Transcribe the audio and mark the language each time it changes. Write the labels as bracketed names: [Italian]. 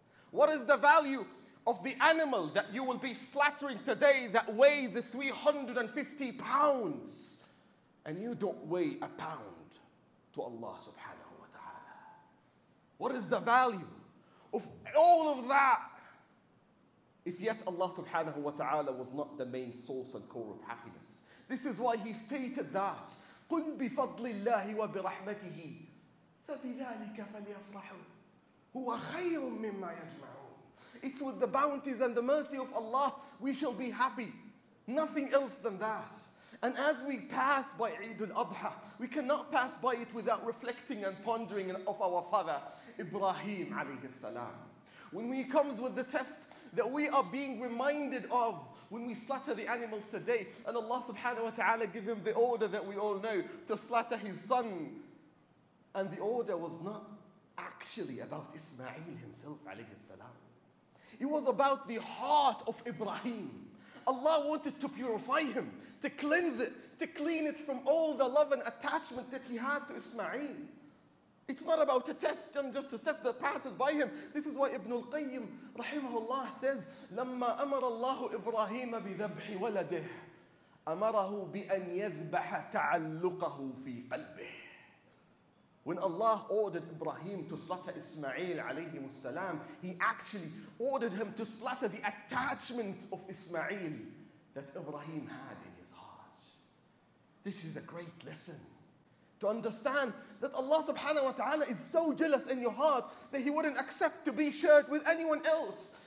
[English] What is the value of the animal that you will be slaughtering today that weighs 350 pounds and you don't weigh a pound to Allah subhanahu wa ta'ala? What is the value of all of that if yet Allah subhanahu wa ta'ala was not the main source and core of happiness? This is why He stated that, [Arabic] قُلْ بِفَضْلِ اللَّهِ وَبِرَحْمَتِهِ فَبِذَلِكَ فَلْيَفْرَحُ هُوَ خَيْرٌ مِمَّا يَجْمَعُ. [English] It's with the bounties and the mercy of Allah we shall be happy. Nothing else than that. And as we pass by Eid-ul-Adha, we cannot pass by it without reflecting and pondering of our father, Ibrahim alayhi salam. When he comes with the test that we are being reminded of when we slaughter the animals today, and Allah subhanahu wa ta'ala give him the order that we all know to slaughter his son. And the order was not actually about Ismail himself alayhi salam. It was about the heart of Ibrahim. Allah wanted to purify him, to cleanse it, to clean it from all the love and attachment that he had to Ismail. It's not about a test and just a test that passes by him. This is why Ibn al-Qayyim rahimahullah says, [Arabic] لَمَّا أَمَرَ اللَّهُ إِبْرَاهِيمَ بِذَبْحِ وَلَدِهِ أَمَرَهُ بِأَنْ يَذْبَحَ تَعَلُّقَهُ فِي قَلْبِهِ. [English] When Allah ordered Ibrahim to slaughter Ismail alayhi salam, He actually ordered him to slaughter the attachment of Ismail that Ibrahim had in his heart. This is a great lesson to understand that Allah subhanahu wa ta'ala is so jealous in your heart that He wouldn't accept to be shared with anyone else.